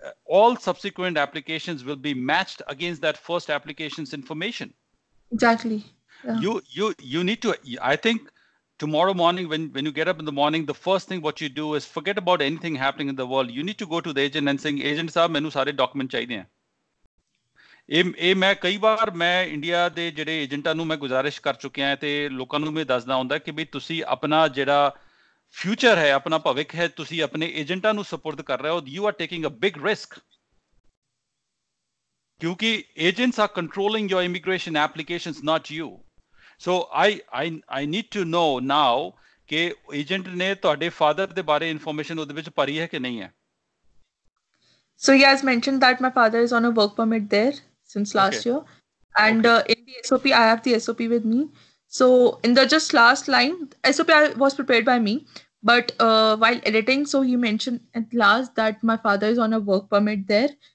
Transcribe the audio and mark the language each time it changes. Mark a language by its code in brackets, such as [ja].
[en] all subsequent applications will be matched against that first application's information. Exactly. Yeah. You need to, I think tomorrow morning when you get up in the morning, the first thing what you do is forget about anything happening in the world. You need to go to the agent and saying, [pa] agent sahab, mainu sare document chahiye. ਇਹ ਮੈਂ ਕਈ ਵਾਰ ਮੈਂ India ਦੇ ਜਿਹੜੇ ਏਜੰਟਾਂ ਨੂੰ ਮੈਂ ਗੁਜ਼ਾਰਿਸ਼ ਕਰ ਚੁੱਕਿਆ ਹੈ ਅਤੇ ਲੋਕਾਂ ਨੂੰ ਮੈਂ ਦੱਸਦਾ ਹੁੰਦਾ ਕਿ ਵੀ ਤੁਸੀਂ ਆਪਣਾ ਜਿਹੜਾ ਫਿਊਚਰ ਹੈ ਆਪਣਾ ਭਵਿੱਖ ਹੈ ਤੁਸੀਂ ਆਪਣੇ ਏਜੰਟਾਂ ਨੂੰ ਸਪੁਰਦ ਕਰ ਰਹੇ ਹੋ [en] you are taking a big risk ਕਿਉਂਕਿ agents are controlling your immigration application not you so I need to know now [pa] ਕਿ ਏਜੰਟ ਨੇ ਤੁਹਾਡੇ ਫਾਦਰ ਦੇ ਬਾਰੇ ਇਨਫੋਰਮੇਸ਼ਨ ਉਹਦੇ ਵਿੱਚ ਭਰੀ ਹੈ ਕਿ ਨਹੀਂ ਹੈ [en] So he has mentioned that my father is on a work permit there since last okay. year. And in the SOP, I have the SOP with me. So in the just last line, SOP was prepared by me. But while editing, so he mentioned at last that my father is on a work permit there.